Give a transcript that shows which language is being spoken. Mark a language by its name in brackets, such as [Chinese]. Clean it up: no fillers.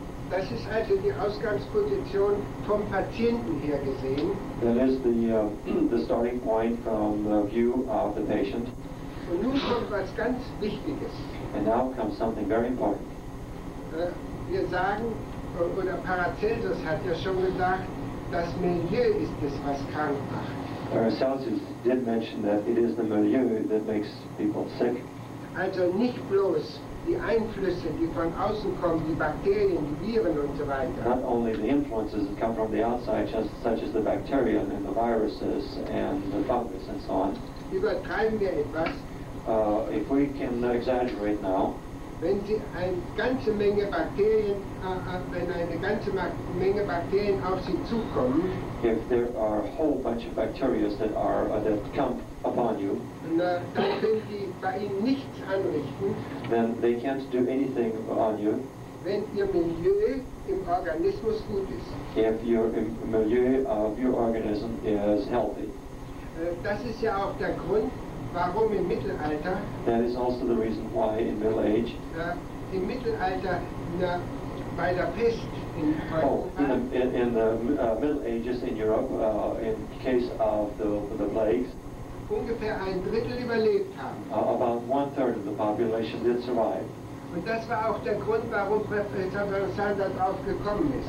[German] Das ist also die Ausgangsposition vom Patienten her gesehen. [English] That is the starting point from the view of the patient. [German] Und nun kommt was ganz Wichtiges. [English] And now comes something very important. [German] Wir sagen, oder Paracelsus hat ja schon gesagt, das Milieu ist es, was krank macht. [English] Paracelsus did mention that it is the milieu that makes people sick. [German] Also nicht bloß die Einflüsse, die von außen kommen, die Bakterien, die Viren und so weiter. [English] Not only the influences that come from the outside, just such as the bacteria and the viruses and the fungus and so on. [German] Übertreiben wir etwas. [English] If we can exaggerate now. [German] Wenn Sie eine ganze Menge Bakterien, auf Sie zukommen, [English] if there are a whole bunch of bacteria that are that come upon you, [German] dann können Sie bei Ihnen nichts anrichten. [English] Then they can't do anything on you. [German] Wenn Ihr Milieu im Organismus gut ist. [English] If your milieu of your organism is healthy. [German] Das ist ja auch der Grund. Warum im Mittelalter? [English] That is also the reason why in Middle Age. [German] Im Mittelalter, bei der Pest in Europa. [English] In the Middle Ages in Europe, in case of the plagues. [German] Ungefähr ein Drittel überlebt haben. [English] About one third of the population did survive. [German] Und das war auch der Grund, warum Professor Sanders aufgekommen ist.